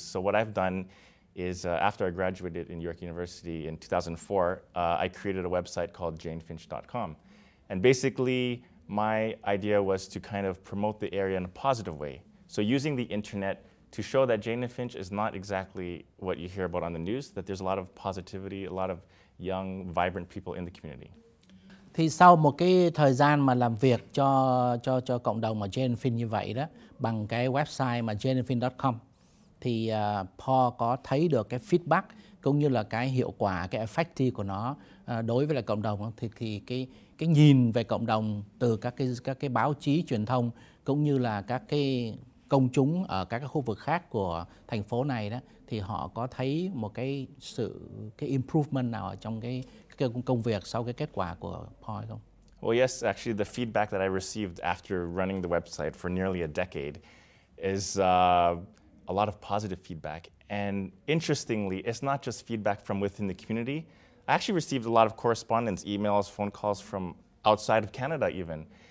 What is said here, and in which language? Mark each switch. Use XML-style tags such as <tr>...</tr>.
<en>So what I've done is after I graduated in York University in 2004, I created a website called janefinch.com. And basically my idea was to kind of promote the area in a positive way. So using the internet to show that Jane and Finch is not exactly what you hear about on the news, that there's a lot of positivity, a lot of young, vibrant people in the community.</en> <vi>Thì sau một cái thời gian mà làm việc cho cộng đồng ở Jane and Finch như vậy đó, bằng cái website mà janeandfinch.com, thì Paul có thấy được cái feedback cũng như là cái hiệu quả, cái effective của nó đối với lại cộng đồng không? Thì cái nhìn về cộng đồng từ các cái báo chí truyền thông cũng như là các cái công chúng ở các cái khu vực khác của thành phố này đó, thì họ có thấy một cái improvement nào ở trong cái công việc sau cái kết quả của Paul không?</vi> <en>Well, yes, actually the feedback that I received after running the website for nearly a decade is a lot of positive feedback. And interestingly, it's not just feedback from within the community. I actually received a lot of correspondence, emails, phone calls from outside of Canada even.</en>